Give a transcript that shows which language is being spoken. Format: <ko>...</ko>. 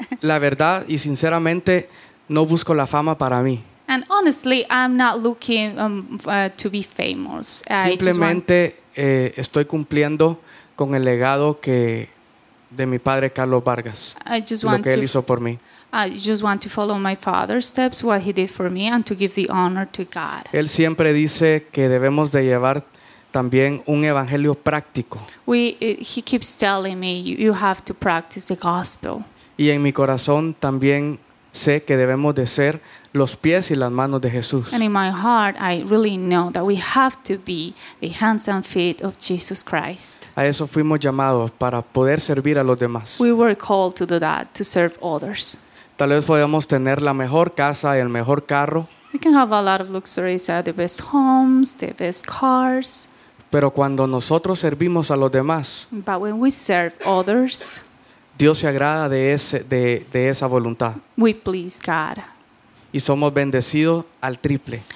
<es>La verdad y sinceramente no busco la fama para mí.</es> <en>And honestly, I'm not looking to be famous.</en> <es>Simplemente estoy cumpliendo con el legado que de mi padre Carlos Vargas, lo que él hizo por mí.</es> <en>I just want to follow my father's steps, what he did for me, and to give the honor to God.</en> <es>Él siempre dice que debemos de llevar también un evangelio práctico.</es> <en>He keeps telling me you have to practice the gospel.</en> <es>Y en mi corazón también sé que debemos de ser los pies y las manos de Jesús.</es> <en>And in my heart, I really know that we have to be the hands and feet of Jesus Christ.</en> <es>A eso fuimos llamados, para poder servir a los demás.</es> <en>We were called to do that, to serve others.</en> <es>Tal vez podamos tener la mejor casa y el mejor carro.</es> <en>We can have a lot of luxuries, the best homes, the best cars.</en> <es>Pero cuando nosotros servimos a los demás,</es> <en>but when we serve others,</en> <es>Dios se agrada de esa voluntad.</es> <en>We please God.</en> <es>Y somos bendecidos al triple.</es>